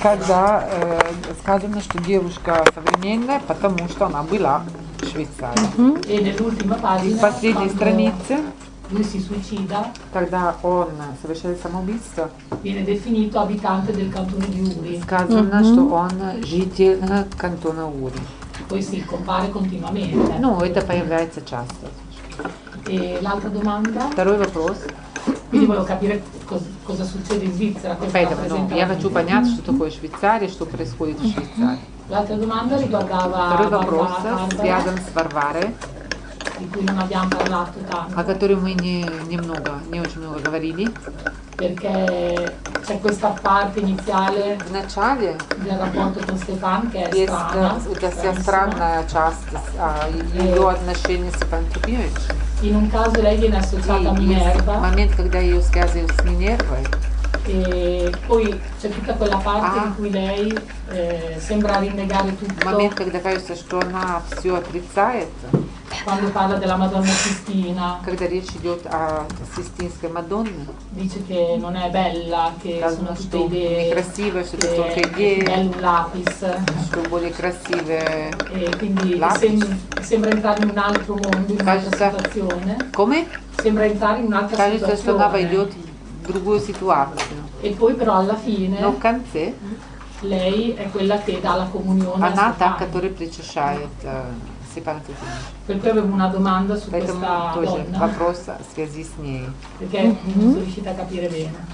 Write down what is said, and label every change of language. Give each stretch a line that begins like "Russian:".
Russian: Когда сказано, что девушка современная, потому что она была в Швейцарии. Uh-huh. И в последней странице,
Italian: suicida,
Russian: когда он совершает самоубийство,
Italian: viene definito abitante del cantone di Uri.
Russian: Сказано, uh-huh. что он житель кантона Ури.
Italian: Poi si compare continuamente.
Russian: No, это появляется часто.
Italian: E l'altra domanda?
Russian: Второй вопрос.
Italian: Quindi volevo capire cosa succede in Svizzera, cosa aspetta, no, io voglio capire cosa succede in Svizzera, cosa
Russian: происходит
Italian: in Svizzera. L'altra domanda riguardava
Russian: второй вопрос, связан с Варварой,
Italian: di cui non abbiamo parlato tanto.
Russian: О которой мы не очень много говорили.
Italian: Perché c'è questa parte iniziale
Russian: в начале
Italian: del rapporto con Stefan che è strana. Questa
Russian: странная часть ее отношения с Степаном Трофимовичем.
Italian: In un caso lei viene associata a Minerva.
Russian: Момент, когда ее связывают с Минервой.
Italian: E poi c'è tutta quella parte in cui lei sembra rinnegare tutto.
Russian: Момент, когда кажется, что она все отрицает.
Italian: Quando parla della Madonna Sistina.
Russian: Когда речь идет о Систинской Мадонне.
Italian: Dice che non è bella, che sono tutte idee.
Russian: Сказано, что не красиво, что это только идеи.
Italian: Bello un lapis.
Russian: Что более красивое.
Italian: E quindi sembra entrare in un altro mondo, in un'altra situazione. Come? Sembra entrare in un'altra
Russian: кажется,
Italian: situazione.
Russian: Кажется, что она войдет в другую ситуацию.
Italian: E poi però alla fine.
Russian: Но в конце.
Italian: Lei è quella che dà la comunione.
Russian: Она та, которая причащает.
Italian: Per cui avevo una domanda su questa donna.
Russian: Тоже вопрос в связи с ней.
Italian: Perché non sono riuscita a capire bene.